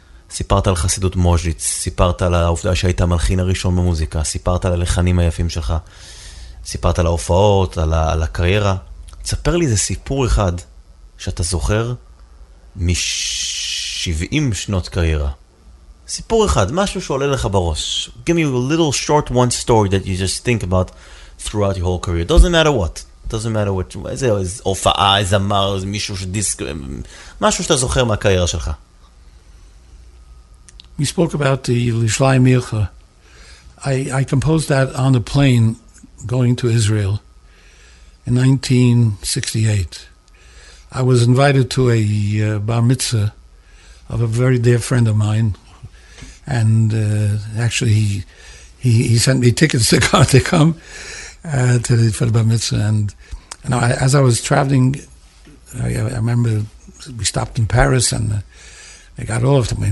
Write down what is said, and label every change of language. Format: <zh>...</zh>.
<he>סיפרת על חסידות מוז'יץ, סיפרת על העובדה שהיית המלחין הראשון במוזיקה, סיפרת על הלחנים היפים שלך, סיפרת על ההופעות, על הקריירה. תספר לי איזה סיפור אחד שאתה זוכר מ-70 שנות קריירה. סיפור אחד, משהו שעולה לך בראש.</he> <en>Give me a little short one story that you just think about throughout your whole career. Doesn't matter what.</en> <he>איזה הופעה, איזה אמר, איזה מישהו שדיסק... משהו שאתה זוכר מהקריירה שלך.</he> <en>We spoke about the Lishlai Mircha. I composed that on the plane going to Israel in 1968. I was invited to a bar mitzvah of a very dear friend of mine, and actually he sent me tickets to come to the bar mitzvah, and I, as I was traveling, I remember we stopped in Paris, and they got all of them.</en>